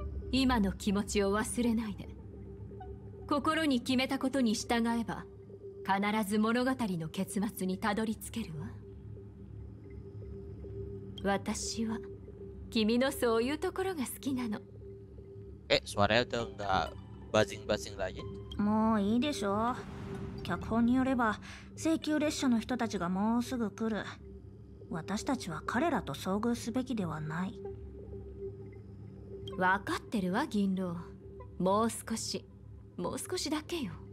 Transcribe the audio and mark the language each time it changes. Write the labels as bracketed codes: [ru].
[ja] 今の気持ちを忘れないで。心に決めたことに従えば必ず物語の結末にたどり着けるわ。私は君のそういうところが好きなの。 [id] え、suara itu enggak buzzing-buzzing lagi? [ja] もういいでしょ。脚本によれば、請求列車の人たちがもうすぐ来る。私たちは彼らと遭遇すべきではない。わかってるわ、銀狼。もう少し、もう少しだけよ。